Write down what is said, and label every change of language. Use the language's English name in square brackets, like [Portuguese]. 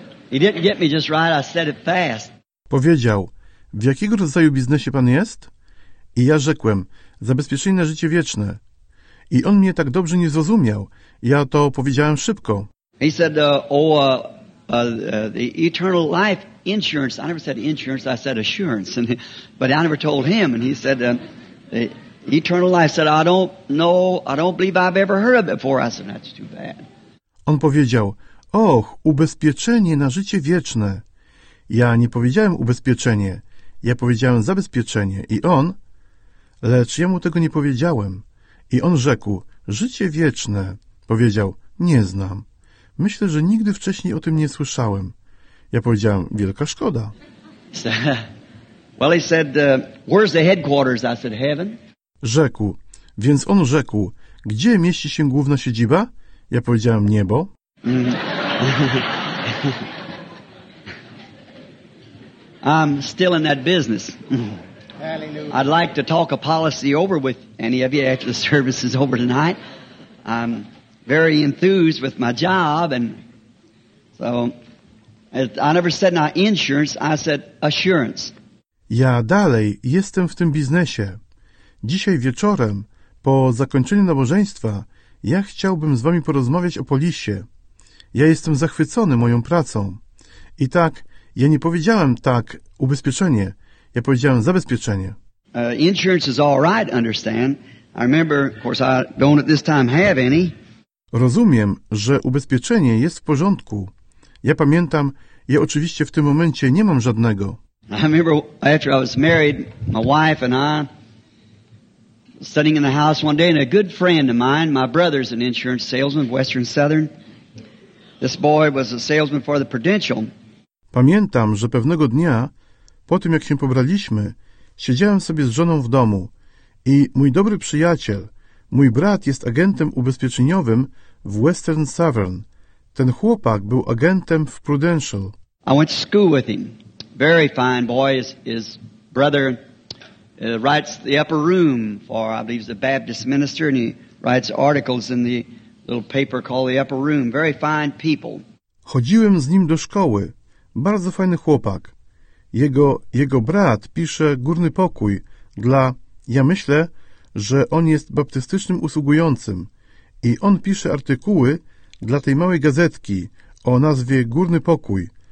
[English] He didn't get me just right, I said it fast. [Polish] Powiedział, w jakiego rodzaju biznesie pan jest? I ja rzekłem, zabezpieczenie na życie wieczne. I on mnie tak dobrze nie zrozumiał. Ja to powiedziałem szybko. [English] He said, the eternal life insurance. I never said insurance, I said assurance. But I never told him. And he said, the eternal life. I said, I don't know, I don't believe I've ever heard of it before. I said, that's too bad. [Polish] On powiedział, och, ubezpieczenie na życie wieczne. Ja nie powiedziałem ubezpieczenie. Ja powiedziałem zabezpieczenie. I on, lecz ja mu tego nie powiedziałem. I on rzekł, życie wieczne. Powiedział, nie znam. Myślę, że nigdy wcześniej o tym nie słyszałem. Ja powiedziałem, wielka szkoda. [English] Well, he said, where's the headquarters? I said, heaven. [Polish] Rzekł, więc on rzekł, gdzie mieści się główna siedziba? Ja powiedziałem, niebo. [English] I'm still in that business. Hallelujah. I'd like to talk a policy over with any of you after the service is over tonight. I'm very enthused with my job, and so I never said not insurance, I said assurance. [Polish] Ja dalej jestem w tym biznesie. Dzisiaj wieczorem, po zakończeniu nabożeństwa, ja chciałbym z wami porozmawiać o polisie. Ja jestem zachwycony moją pracą. I tak, ja nie powiedziałem tak, ubezpieczenie. Ja powiedziałem zabezpieczenie. [English] Insurance is all right, understand. I remember, of course, I don't at this time have any. [Polish] Rozumiem, że ubezpieczenie jest w porządku. Ja pamiętam, ja oczywiście w tym momencie nie mam żadnego. [English] I remember after I was married, my wife and I sitting in the house one day, and a good friend of mine, my brother's an insurance salesman, Western Southern. This boy was a salesman for the Prudential. [Polish] Pamiętam, że pewnego dnia, po tym jak się pobraliśmy, siedziałem sobie z żoną w domu i mój dobry przyjaciel, mój brat jest agentem ubezpieczeniowym w Western Southern. Ten chłopak był agentem w Prudential. [English] I went to school with him. Very fine boy. His brother writes the upper room for, I believe he's a Baptist minister, and he writes articles in the little paper called the upper room. Very fine people. [Polish] Chodziłem z nim do szkoły. Bardzo fajny chłopak. Jego brat pisze górny pokój dla, ja myślę, że on jest baptystycznym usługującym i on pisze artykuły dla tej małej gazetki o nazwie Górny Pokój.